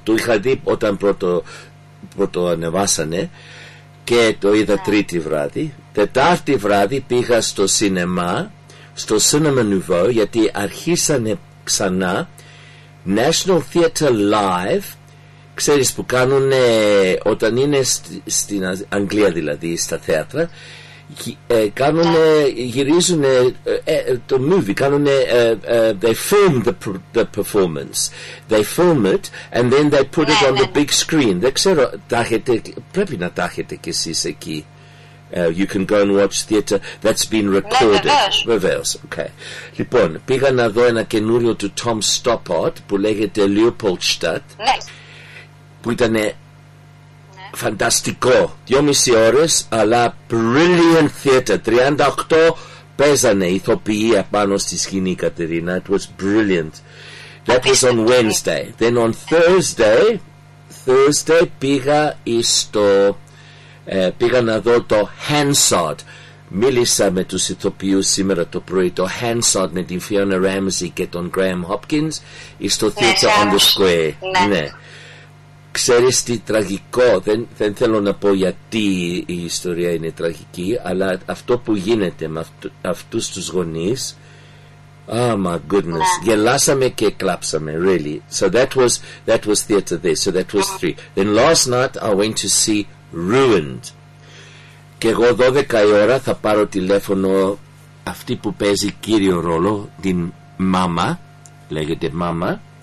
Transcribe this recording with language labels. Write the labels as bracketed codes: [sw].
[el] Το είχα δει όταν πρώτο ανεβάσανε και το είδα Τρίτη βράδυ. Τετάρτη βράδυ πήγα στο σινεμά, στο Cinema Nouveau, γιατί αρχίσανε ξανά National Theatre Live. Ξέρεις που κάνουν όταν είναι στην Αγγλία, δηλαδή στα θέατρα, γυρίζουν το movie, κάνουν [en] they film the performance, they film it and then they put it on the big screen. [el] Δεν ξέρω, πρέπει να τα έχετε κι εσείς εκεί. [en] You can go and watch theatre that's been recorded. [el] Βεβαίως. [en] Okay. [el] Λοιπόν, πήγα να δω ένα καινούριο του Tom Stoppard που λέγεται Leopoldstadt, που ήταν φανταστικό. 2,5 ώρες, αλλά [en] brilliant theatre. [el] 38 παίζανε ηθοποιοί απάνω στη σκηνή, Κατερίνα. [en] It was brilliant. That was on Wednesday. Then on Thursday [el] πήγα να δω το [en] Hansard. [el] Μίλησα με τους ηθοποιούς σήμερα το πρωί, το Hansard με την Fiona Ramsey και τον Graham Hopkins, στο theatre on the square. Ναι. Ξέρεις τι τραγικό, δεν θέλω να πω γιατί η ιστορία είναι τραγική, αλλά αυτό που γίνεται με αυτούς τους γονείς, [en] oh my goodness, [el] γελάσαμε και κλάψαμε, [en] really. So that was theatre there, so that was three. Then last night I went to see Ruined. [el] Και εγώ 12 η ώρα θα πάρω τηλέφωνο αυτή που παίζει κύριο ρόλο, την μάμα, λέγεται μάμα.